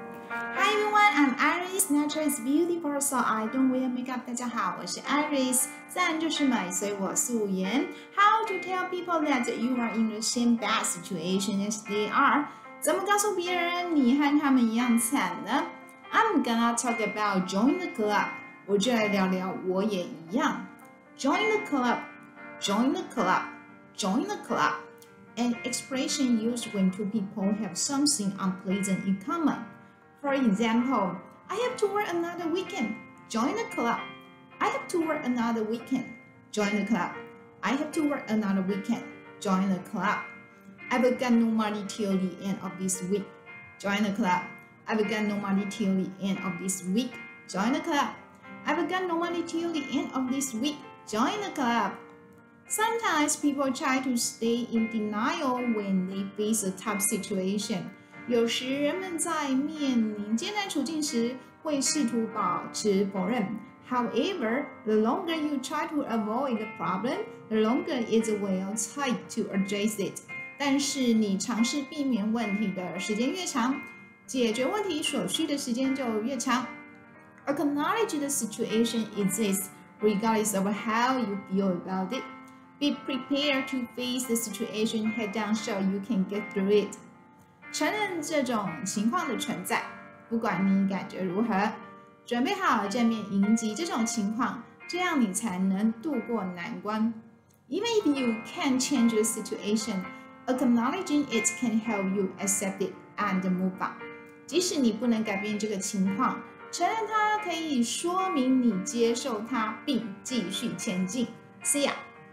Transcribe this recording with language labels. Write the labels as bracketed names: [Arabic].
[English] I'm Iris, natural is beautiful, so I don't wear makeup. [Chinese] 大家好，我是 Iris， 自然就是美，所以我素颜。 [English] How to tell people that you are in the same bad situation as they are? [Chinese] 怎么告诉别人你和他们一样惨呢？ [English] I'm gonna talk about join the club. [Chinese] 我就来聊聊我也一样。 [English] Join the club, join the club, join the club. An expression used when two people have something unpleasant in common. For example, I have to work another weekend. Join the club. I have to work another weekend. Join the club. I have to work another weekend. Join the club. I've got no money till the end of this week. Join the club. I've got no money till the end of this week. Join the club. I've got no money till the end of this week. Join the club. Sometimes people try to stay in denial when they face a tough situation. [Chinese] 有时人们在面临艰难处境时会试图保持否认。 [English] However, the longer you try to avoid the problem, the longer it will take to address it. [Chinese] 但是你尝试避免问题的时间越长，解决问题所需的时间就越长。 [English] Acknowledge the situation exists regardless of how you feel about it. Be prepared to face the situation head down so you can get through it. [Chinese] 承认这种情况的存在，不管你感觉如何，准备好正面迎击这种情况，这样你才能度过难关。 [English] Even if you can't change the situation, acknowledging it can help you accept it and move on. [Chinese] 即使你不能改变这个情况，承认它可以说明你接受它并继续前进。 [English] See ya!